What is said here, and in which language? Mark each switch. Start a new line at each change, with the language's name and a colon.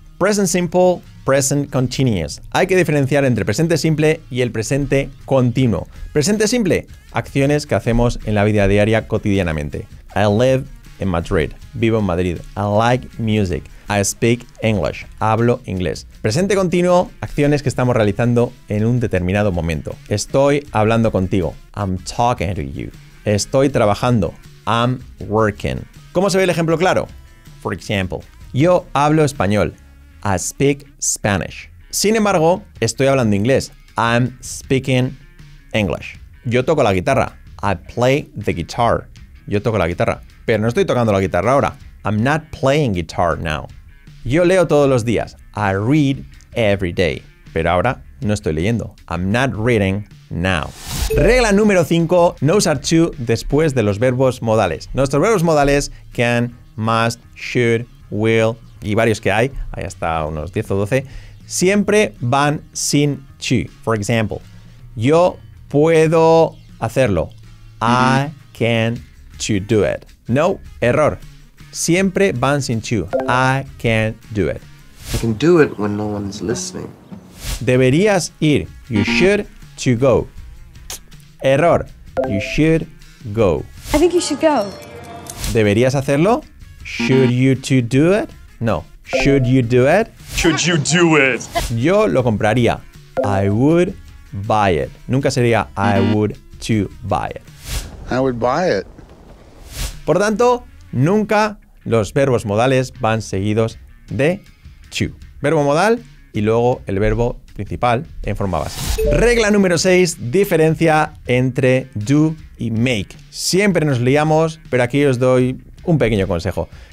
English: Present simple, present continuous.
Spanish: Hay que diferenciar entre presente simple y el presente continuo. Presente simple, acciones que hacemos en la vida diaria cotidianamente.
English: I live in Madrid.
Spanish: Vivo en Madrid.
English: I like music. I speak English.
Spanish: Hablo inglés. Presente continuo, acciones que estamos realizando en un determinado momento. Estoy hablando contigo.
English: I'm talking to you.
Spanish: Estoy trabajando.
English: I'm working.
Spanish: ¿Cómo se ve el ejemplo claro?
English: For example,
Spanish: yo hablo español.
English: I speak Spanish.
Spanish: Sin embargo, estoy hablando inglés.
English: I'm speaking English.
Spanish: Yo toco la guitarra.
English: I play the guitar.
Spanish: Yo toco la guitarra. Pero no estoy tocando la guitarra ahora.
English: I'm not playing guitar now.
Spanish: Yo leo todos los días.
English: I read every day.
Spanish: Pero ahora no estoy leyendo.
English: I'm not reading now.
Spanish: Regla número 5. No usar to después de los verbos modales. Nuestros verbos modales, can, must, should, will, y varios que hay. Hay hasta unos 10 o 12. Siempre van sin to.
English: For example,
Spanish: yo puedo hacerlo.
English: I can to do it. No, error.
Spanish: Siempre van sin to.
English: I can do it. I can do it when no one's listening.
Spanish: Deberías ir.
English: You should to go. Error. You should go. I think you should go.
Spanish: Deberías hacerlo.
English: Should you to do it? No. Should you do it? Should you do it?
Spanish: Yo lo compraría.
English: I would buy it.
Spanish: Nunca sería
English: I would to buy it. I would buy it.
Spanish: Por tanto, nunca los verbos modales van seguidos de to. Verbo modal y luego el verbo principal en forma base. Regla número 6, diferencia entre do y make. Siempre nos liamos, pero aquí os doy un pequeño consejo.